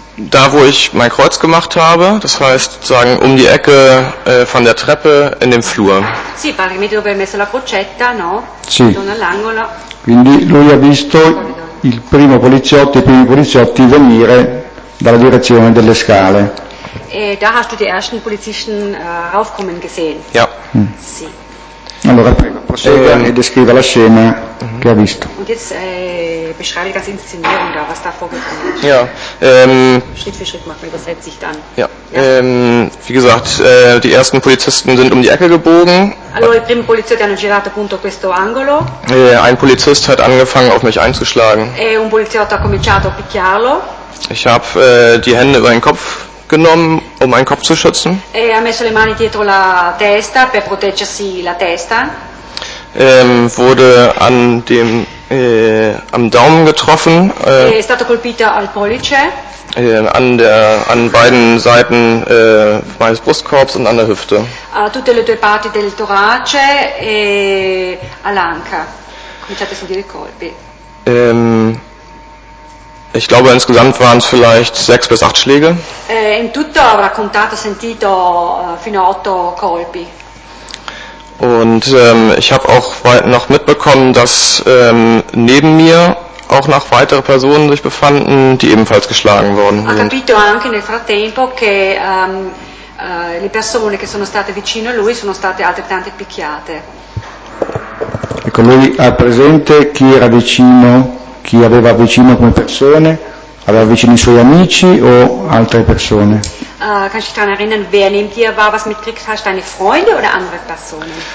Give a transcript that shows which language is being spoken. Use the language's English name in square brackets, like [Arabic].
[German] da, wo ich mein Kreuz gemacht habe, das heißt, sagen, um die Ecke von der Treppe in dem Flur. [Italian] Sì, praticamente dove hai messo la crocetta, no? Sì. Quindi lui ha visto il primo poliziotto e i primi poliziotti venire dalla direzione delle scale. [German] E da hast du die ersten polizisten aufkommen gesehen. Ja. [Italian] Sì. Allora prego, prosegua e descriva la scena che ha visto. [German] Und jetzt beschreibe das Inszenierung da, was da vorgekommen ist. Ja. Schritt für Schritt macht man, übersetzt sich dann. Ja. Wie gesagt, die ersten Polizisten sind um die Ecke gebogen. [Italian] Allora, i primi poliziotti hanno girato appunto questo angolo. [German] Ein Polizist hat angefangen auf mich einzuschlagen. [Italian] E un poliziotto ha cominciato a picchiarlo. [German] Ich habe die Hände über den Kopf genommen, um meinen Kopf zu schützen. [Italian] E ha messo le mani dietro la testa per proteggersi la testa. [German] Wurde an dem am Daumen getroffen. [Italian] È stato colpito al pollice. [German] An beiden Seiten meines Brustkorbs und an der Hüfte. [Italian] A tutte le due parti del torace e all'anca. Cominciate a sentire i colpi. [German] Ich glaube, insgesamt waren es vielleicht 6 bis 8 Schläge. [Italian] In tutto avrà contato, sentito fino a 8 colpi. [German] Und ich habe auch noch mitbekommen, dass neben mir auch noch weitere Personen sich befanden, die ebenfalls geschlagen worden sind. [Italian] Ha capito anche nel frattempo che le persone che sono state vicino a lui sono state altrettante picchiate. Ecco, lui ha presente chi era vicino, chi aveva vicino come persone, aveva vicino i suoi amici o altre persone? [German] Kannst du dich daran erinnern, wer neben dir war, was mitkriegt hast, deine Freunde oder andere Personen?